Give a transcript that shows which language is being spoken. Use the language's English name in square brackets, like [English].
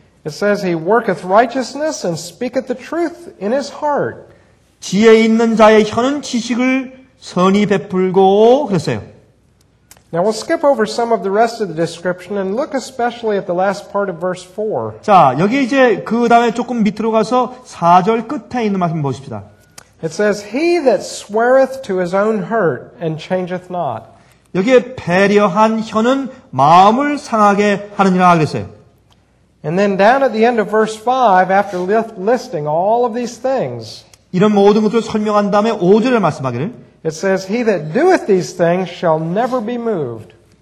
[English] It says he worketh righteousness and speaketh the truth in his heart. [Korean] 지혜 있는 자의 혀는 지식을 선히 베풀고 그랬어요. [English] Now we'll skip over some of the rest of the description and look especially at the last part of verse 4. [Korean] 자, 여기 이제 그 다음에 조금 밑으로 가서 4절 끝에 있는 말씀 보십시다. [English] It says, He that sweareth to his own hurt and changeth not. [Korean] 여기에 배려한 혀는 마음을 상하게 하느니라 그랬어요. [English] And then down at the end of verse 5, after listing all of these things, [Korean] 이런 모든 것을 설명한 다음에 5절에 말씀하기를, [English] It says, He that doeth these things shall never be moved.